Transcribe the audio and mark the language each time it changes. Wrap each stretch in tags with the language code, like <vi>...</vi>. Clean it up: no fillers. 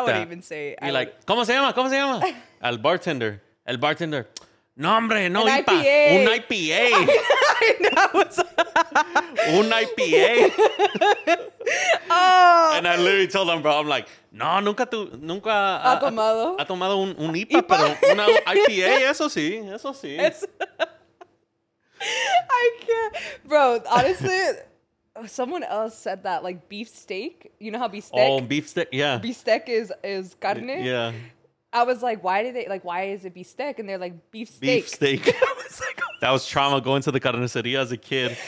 <en>I wouldn't even say. He's like,</en> <es>¿cómo se llama? ¿Cómo se llama? El bartender. El bartender. No, hombre, no</es> <en>an IPA. IPA.</en> <es>Un IPA. Un IPA.</es> <en>And I literally told him, bro, I'm like,</en> <es>no, nunca ha tomado un IPA, IPA, pero una IPA, eso sí, eso sí. Es-</es> <en>I can't, bro. Honestly, someone else said that like beef steak. You know how beef steak? Oh, beef steak. Yeah, beef steak is carne. Yeah. I was like, why did they like? Why is it beef steak? And they're like, beef steak. Beef steak. I was like, oh. That was trauma going to the carniceria as a kid.</en>